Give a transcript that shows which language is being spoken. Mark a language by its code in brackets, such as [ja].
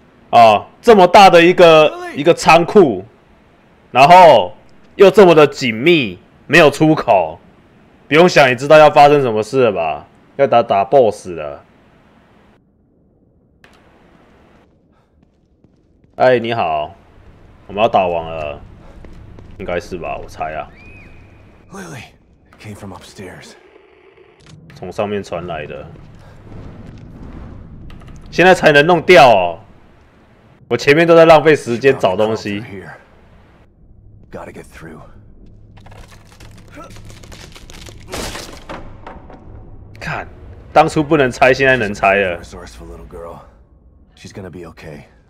[zh] 啊，这么大的一个仓库，然后又这么的紧密，没有出口，不用想也知道要发生什么事了吧？要打 BOSS 了。哎，你好，我们要打完了，应该是吧？我猜啊。 [en] Lily came from upstairs， [zh] 从上面传来的，现在才能弄掉哦。我前面都在浪费时间找东西。 [en] Gotta get through。 [zh] 看，当初不能拆，现在能拆了。 [en] Resourceful little girl, she's gonna be okay.